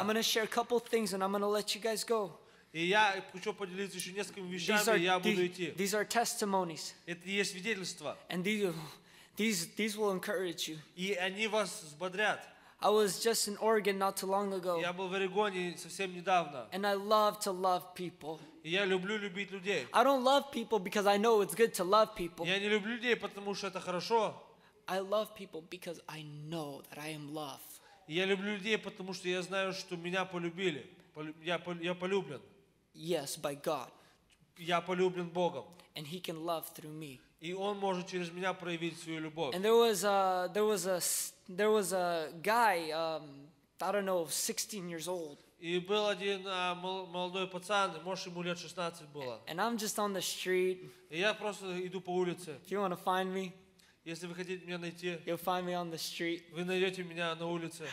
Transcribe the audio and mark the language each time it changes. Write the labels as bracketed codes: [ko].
[en] I'm going to share a couple things and I'm going to let you guys go. [ru] И я хочу поделиться еще несколькими вещами, и я буду идти. [en] These are testimonies. [ru] Это есть свидетельства. [en] And these will encourage you. [ru] И они вас взбодрят. [en] I was just in Oregon not too long ago. [ru] Я был в Орегоне совсем недавно. [en] And I love to love people. [ru] И я люблю любить людей. [en] I don't love people because I know it's good to love people. [ru] Я не люблю людей, потому что это хорошо. [en] I love people because I know that I am loved. [ru] И я люблю людей, потому что я знаю, что меня полюбили. Я полюблен. [en] Yes, by God. [ru] Я полюблен Богом. [en] And He can love through me. [ru] И Он может через меня проявить свою любовь. [en] And there was a guy, I don't know, 16 years old. [ru] И был один молодой пацан, может ему лет 16 было. [en] And I'm just on the street. [ru] И я просто иду по улице. [en] If you want to find me, [ru] если вы хотите меня найти, [en] you'll find me on the street. [ru] Вы найдете меня на улице.